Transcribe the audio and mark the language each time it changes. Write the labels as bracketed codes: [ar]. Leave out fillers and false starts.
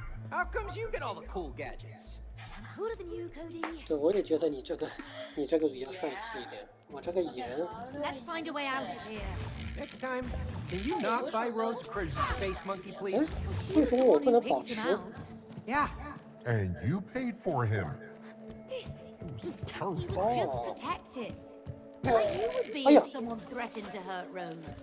[en] How comes you get all the cool gadgets? I'm cooler than you, Cody. [zh] 对，我也觉得你这个比较帅气一点。我这个蚁人。 [en] Let's find a way out of here. Next time, can you not buy Rose crazy space monkey, please? [zh] 为什么我不能保持 [en] ？Yeah. And you paid for him. It was terrifying. You were just protective. Like you would be if someone threatened to hurt Rose.